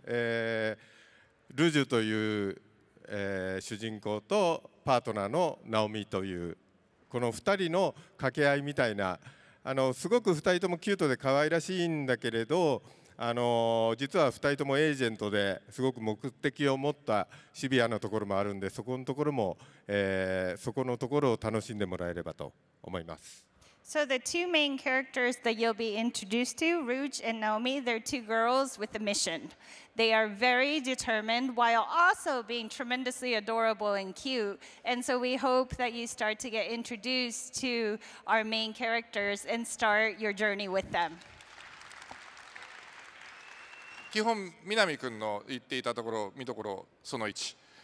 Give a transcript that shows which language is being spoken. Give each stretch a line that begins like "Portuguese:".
Japanese: ルジュという主人公とパートナーのナオミというこの2人の掛け合いみたいな、あのすごく2人ともキュートで可愛らしいんだけれど、あの実は2人ともエージェントですごく目的を持ったシビアなところもあるんで、そこのところも、そこのところを楽しんでもらえればと思います。
English: So the two main characters that you'll be introduced to, Rouge and Naomi, they're two girls with a mission. They are very determined while also being tremendously adorable and cute. And so we hope that you start to get introduced to our main characters and start your journey with them.
Japanese: 基本、南君の言っていたところ、見どころその1。